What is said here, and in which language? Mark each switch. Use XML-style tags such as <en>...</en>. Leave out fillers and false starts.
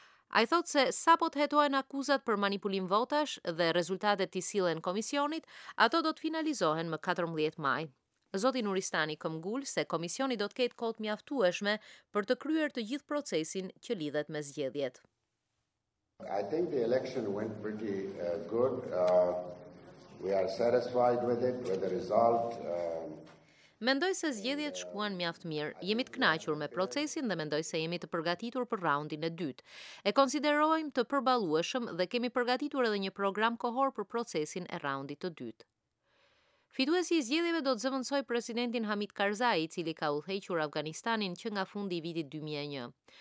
<sq>Ai thot se sapo të hetohen akuzat për manipulim votash dhe rezultatet t'i sillen Komisionit, ato do të finalizohen më 14 maj. Zoti Nuristani këmbgul se komisioni do të ketë kohë mjaftueshme për të kryer të gjithë procesin që lidhet me zgjedhjet.</sq> <en>I think the election went pretty good. We are satisfied with it, with the result.</en> <sq>Mendoj se zgjedhjet shkuan mjaft mirë. Jemi të kënaqur me procesin dhe mendoj se jemi të përgatitur për raundin e dytë. E konsiderojmë të përballueshëm dhe kemi përgatitur edhe një program kohor për procesin e raundit të dytë. Fituesi i zgjedhjeve do të zëvendësoj presidentin Hamid Karzai, i cili ka udhëhequr Afganistanin që nga fundi i vitit 2001.</sq>